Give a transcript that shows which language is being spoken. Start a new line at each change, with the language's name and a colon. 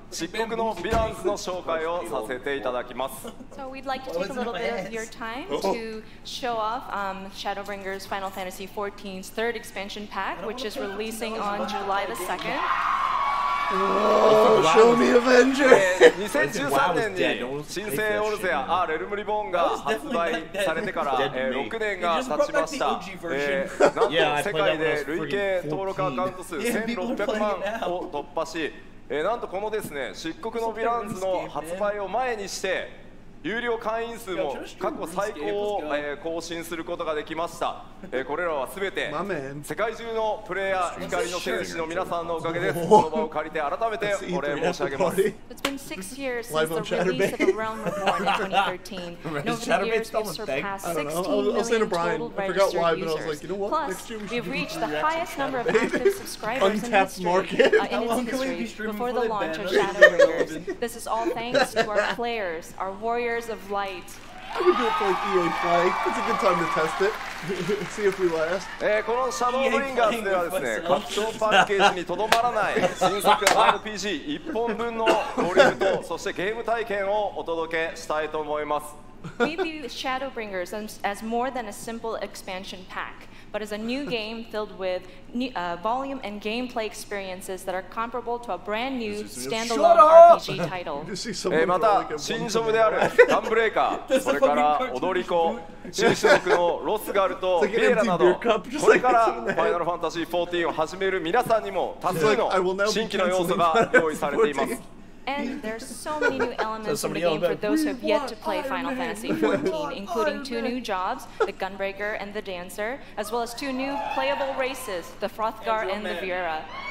Japanese: 漆黒のヴィランズの紹介をさせていただきます。
English: So we'd like to take a little bit of your time to show off Shadowbringers Final Fantasy XIV's third expansion pack, which is releasing on July the 2nd. Show me Avenger!
Japanese: 2013年に新生オルゼア R エルムリボーンが発売されてから6年が経ちました。なんと世界で累計登録アカウント数1600万を突破し、なんとこのですね、漆黒のヴィランズの発売を前にして、有料会員数も過去最高を更新することができました。これらはすべて世界中のプレイヤー光の戦士の皆さんのおかげです。この場を借りて改めてお礼申し上げます。
English: It's been 6 years since the release of the Realm Reborn in 2013. Over the years we've surpassed 16 million total registered users. Why, but I was like, you know what? Plus, we've reached the highest number of active subscribers in history in its history before the launch of Shadowbringers. This is all thanks to our players, our Warriors of Light. I would do it for like EA Play. It's a good time to test it. See if we last.
Japanese: このシャドウブリンガーズではですね、拡張パッケージにとどまらない新作 RPG 一本分のボリュームとそしてゲーム体験をお届けしたいと思います。
English: We view Shadowbringers as more than a simple expansion pack, but as a new game filled with new, volume and gameplay experiences that are comparable to a brand new standalone RPG title.
Japanese: また新ソムであるダンブレイカー、それから踊り子、新種目のロスガルとベーラなど、これからファイナルファンタジー14を始める皆さんにも多数の新規の要素が用意されています。
English: And there's so many new elements so in the game for those who have yet to play Final Fantasy XIV, including two new jobs, the Gunbreaker and the Dancer, as well as two new playable races, the Frothgar and the Viera.